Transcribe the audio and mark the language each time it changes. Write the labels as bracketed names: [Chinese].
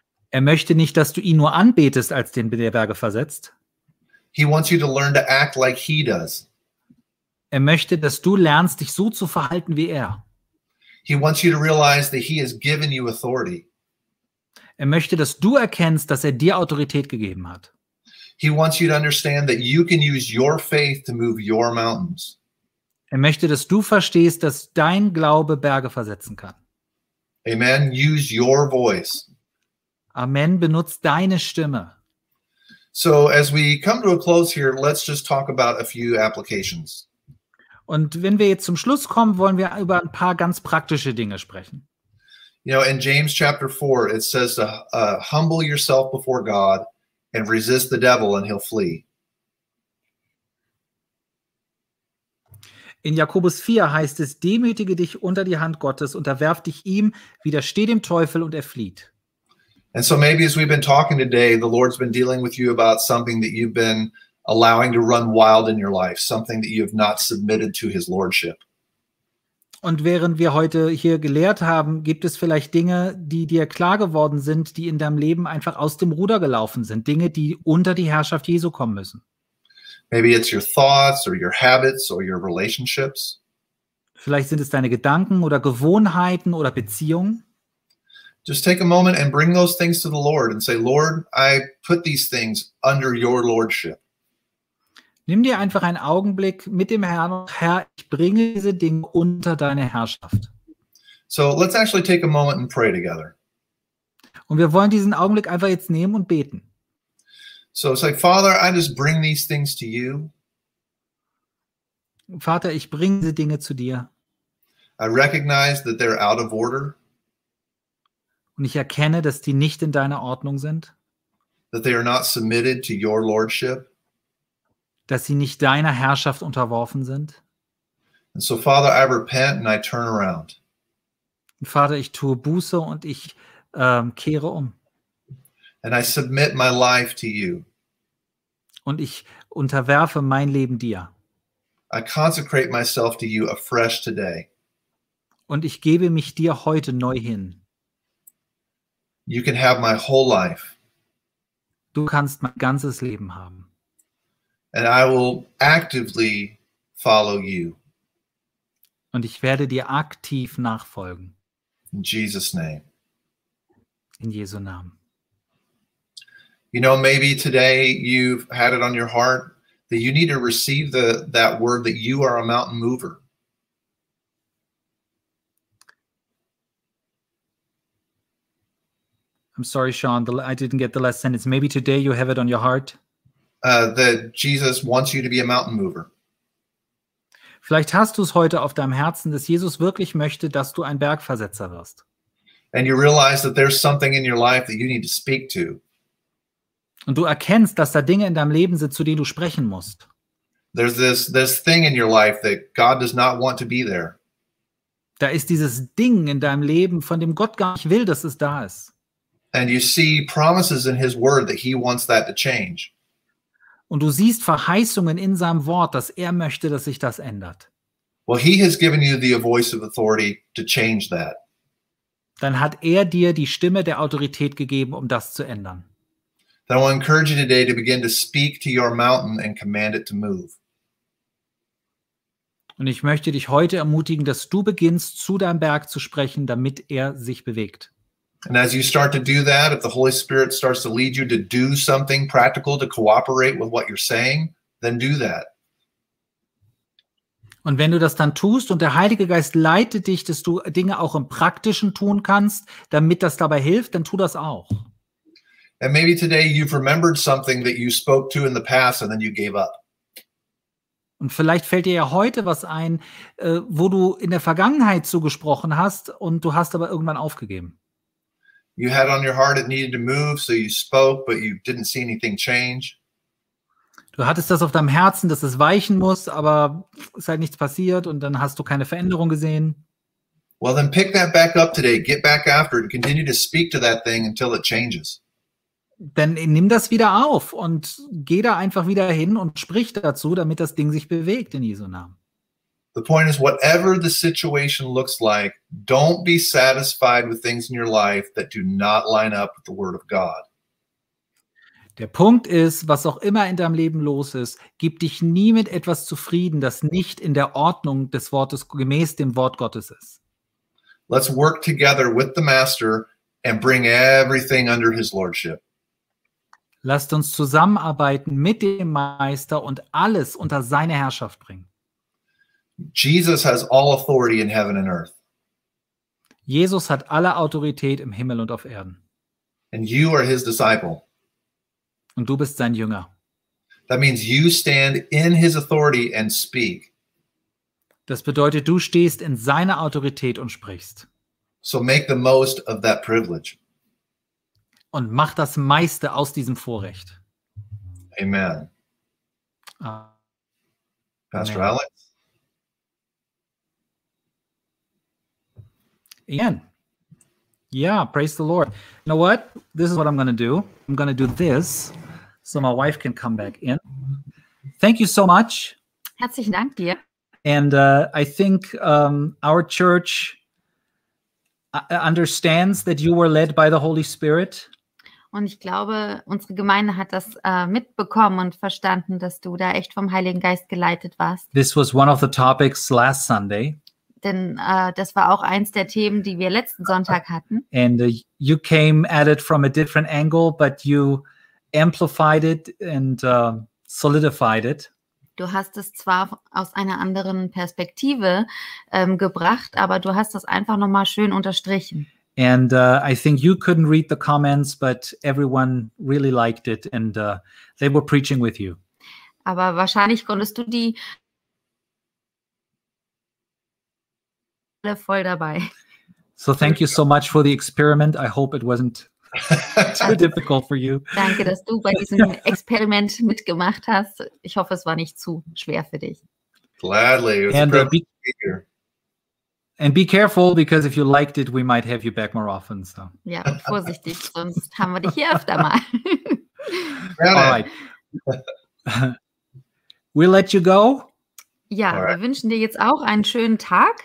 [German] Er möchte nicht, dass du ihn nur anbetest, als den der Berge versetzt. [English] He wants you to learn to act like he does. [German] Er möchte, dass du lernst, dich so zu verhalten wie er. [English] He wants you to realize that he has given you authority. [German] Er möchte, dass du erkennst, dass dir Autorität gegeben hat. [English] He wants you to understand that you can use your faith to move your mountains. [German] Möchte, dass du verstehst, dass dein Glaube Berge versetzen kann. [English] Amen. Use your voice. [German] Amen. Benutzt deine Stimme. [English] So as we come to a close here, let's just talk about a few applications. [German] Und wenn wir jetzt zum Schluss kommen, wollen wir über ein paar ganz praktische Dinge sprechen. [English] You know, in James chapter 4, it says to humble yourself before God and resist the devil and he'll flee. [German] In Jakobus 4 heißt es, demütige dich unter die Hand Gottes, unterwerf dich ihm, widersteh dem Teufel und er flieht. [English] And so maybe as we've been talking today, the Lord's been dealing with you about something that you've been allowing to run wild in your life, something that you have not submitted to his lordship. [German] Und während wir heute hier gelehrt haben, gibt es vielleicht Dinge, die dir klar geworden sind, die in deinem Leben einfach aus dem Ruder gelaufen sind, Dinge, die unter die Herrschaft Jesu kommen müssen. [English] Maybe it's your thoughts or your habits or your relationships. [German] Vielleicht sind es deine Gedanken oder Gewohnheiten oder Beziehungen. [English] Just take a moment and bring those things to the Lord and say, Lord, I put these things under your lordship. [German] Nimm dir einfach einen Augenblick mit dem Herrn. Herr, ich bringe diese Dinge unter deine Herrschaft. [English] So let's actually take a moment and pray together. [German] Und wir wollen diesen Augenblick einfach jetzt nehmen und beten. [English] So say, Father, I just bring these things to you. [German] Vater, ich bringe diese Dinge zu dir. [English] I recognize that they're out of order. [German] Und ich erkenne, dass die nicht in deiner Ordnung sind. [English] That they are not submitted to your lordship. [German] Dass sie nicht deiner Herrschaft unterworfen sind. [English] And so, Father, I repent and I turn around. [German] Und Vater, ich tue Buße und ich kehre um. [English] And I submit my life to you. [German] Und ich unterwerfe mein Leben dir. [English] I consecrate myself to you afresh today. [German] Und ich gebe mich dir heute neu hin. [English] You can have my whole life. [German] Du kannst mein ganzes Leben haben. [English] And I will actively follow you. [German] Und ich werde dir aktiv nachfolgen. [English] In Jesus' name. [German] In Jesu Namen. [English] You know, maybe today you've had it on your heart that you need to receive that word that you are a mountain mover. I'm sorry, Sean, I didn't get the last sentence. Maybe today you have it on your heart. That Jesus wants you to be a mountain mover. [German] Vielleicht hast du es heute auf deinem Herzen, dass Jesus wirklich möchte, dass du ein Bergversetzer wirst. [English] And you realize that there's something in your life that you need to speak to. [German] Und du erkennst, dass da Dinge in deinem Leben sind, zu denen du sprechen musst. [English] There's this thing in your life that God does not want to be there. [German] Da ist dieses Ding in deinem Leben, von dem Gott gar nicht will, dass es da ist. [English] And you see promises in his word that he wants that to change. [German] Und du siehst Verheißungen in seinem Wort, dass möchte, dass sich das ändert. [English] Well, he has given you the voice of authority to change that. [German] Dann hat dir die Stimme der Autorität gegeben, das zu ändern. [English] Then I want to encourage you today to begin to speak to your mountain and command it to move. [German] Und ich möchte dich heute ermutigen, dass du beginnst, zu deinem Berg zu sprechen, damit sich bewegt. [English] And as you start to do that, if the Holy Spirit starts to lead you to do something practical to cooperate with what you're saying, then do that. [German] Und wenn du das dann tust und der Heilige Geist leitet dich, dass du Dinge auch im Praktischen tun kannst, damit das dabei hilft, dann tu das auch. [English] And maybe today you've remembered something that you spoke to in the past and then you gave up. [German] Und vielleicht fällt dir ja heute was ein, wo du in der Vergangenheit zugesprochen hast und du hast aber irgendwann aufgegeben. [English] You had on your heart it needed to move, so you spoke, but you didn't see anything change. [German] Du hattest das auf deinem Herzen, dass es weichen muss, aber es hat nichts passiert und dann hast du keine Veränderung gesehen. [English] Well, then pick that back up today. Get back after it and continue to speak to that thing until it changes. [German] Dann nimm das wieder auf und geh da einfach wieder hin und sprich dazu, damit das Ding sich bewegt in Jesu Namen. [English] The point is, whatever the situation looks like, don't be satisfied with things in your life that do not line up with the word of God. [German] Der Punkt ist, was auch immer in deinem Leben los ist, gib dich nie mit etwas zufrieden, das nicht in der Ordnung des Wortes gemäß dem Wort Gottes ist. [English] Let's work together with the Master and bring everything under his lordship. [German] Lasst uns zusammenarbeiten mit dem Meister und alles unter seine Herrschaft bringen. [English] Jesus has all authority in heaven and earth. [German] Jesus hat alle Autorität im Himmel und auf Erden. [English] And you are his disciple. [German] Und du bist sein Jünger. [English] That means you stand in his authority and speak. [German] Das bedeutet, du stehst in seiner Autorität und sprichst. [English] So make the most of that privilege. [German] Und mach das meiste aus diesem Vorrecht. [English] Amen. Pastor Amen. Alex? Ian. Yeah, praise the Lord. You know what? This is what I'm going to do. I'm going to do this so my wife can come back in. Thank you so much. [German] Herzlichen Dank dir. [English] And I think our church understands that you were led by the Holy Spirit. [German] Und ich glaube, unsere Gemeinde hat das mitbekommen und verstanden, dass du da echt vom Heiligen Geist geleitet warst. [English] This was one of the topics last Sunday. [German] Denn das war auch eins der Themen, die wir letzten Sonntag hatten. [English] And you came at it from a different angle, but you amplified it and solidified it. [German] Du hast es zwar aus einer anderen Perspektive gebracht, aber du hast das einfach nochmal schön unterstrichen. [English] And I think you couldn't read the comments, but everyone really liked it and they were preaching with you. [German] Aber wahrscheinlich konntest du die alle voll dabei. [English] So thank you so much for the experiment. I hope it wasn't too difficult for you. [German] Danke, dass du bei diesem Experiment mitgemacht hast. Ich hoffe, es war nicht zu schwer für dich. [English] Gladly. It was a privilege to be here. And be careful, because if you liked it, we might have you back more often. So. [German] Ja, vorsichtig, sonst haben wir dich hier öfter mal. [English] All right. We'll let you go. Ja, right. [German] Wir wünschen dir jetzt auch einen schönen Tag.